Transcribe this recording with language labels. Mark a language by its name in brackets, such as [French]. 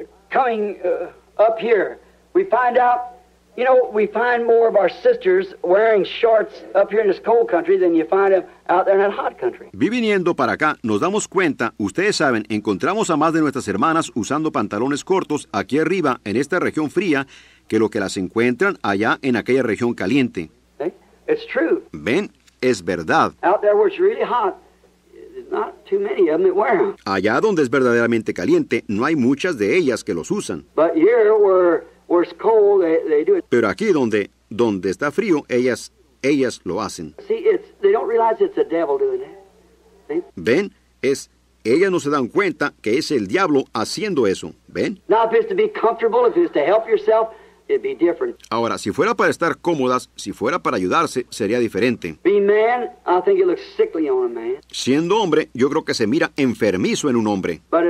[English] Coming up here, we find out, You know, we find more of our sisters wearing shorts up here in this cold country than you find them out there in that hot country. [Spanish] Viniendo para acá, nos damos cuenta, ustedes saben, encontramos a más de nuestras hermanas usando pantalones cortos aquí arriba en esta región fría que lo que las encuentran allá en aquella región caliente. [English] Okay? It's true. [Spanish] Ven, es verdad. [English] Out there where it's really hot, not too many of them that wear them. [Spanish] Allá donde es verdaderamente caliente, no hay muchas de ellas que los usan. [English] But here where it's cold, they do it. [Spanish] Pero aquí donde está frío, ellas lo hacen. [English] See, they don't realize it's the devil doing it. See? [Spanish] Ven, ellas no se dan cuenta que es el diablo haciendo eso. Ven. [English] Now, if it's to be comfortable, if it's to help yourself, it'd be different. [Spanish] Ahora, si fuera para estar cómodas, si fuera para ayudarse, sería diferente. [English] Being man, I think it looks sickly on a man. [Spanish] Siendo hombre, yo creo que se mira enfermizo en un hombre.